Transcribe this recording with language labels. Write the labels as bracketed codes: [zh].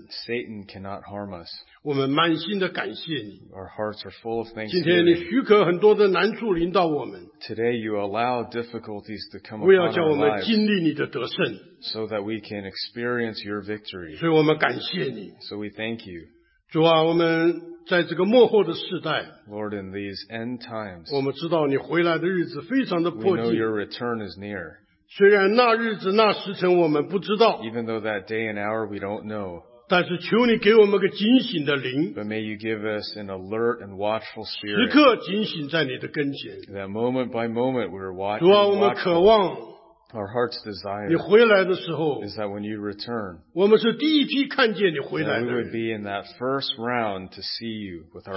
[en] Satan cannot harm us. [zh] 我们满心的感谢你, [en] our hearts are full of thanksgiving. Today you allow difficulties to come upon our lives so that we can experience your victory. So we thank you. [zh] 主啊,我们在这个末后的时代, [en] Lord, in these end times, [zh] 我们知道你回来的日子非常的迫切, [en] we know your return is near. [zh] 虽然那日子那时辰我们不知道, [en] even though that day and hour we don't know, [zh] 但是求你给我们个警醒的灵, [en] but may you give us an alert and watchful spirit, [zh] 时刻警醒在你的跟前, [en] that moment by moment we are watching. [zh] 主啊,我们渴望, [en] our heart's desire [zh] 你回来的时候, [en] is that when you return, [zh] 我们是第一批看见你回来的人, [en] that we would be in that first round to see you with our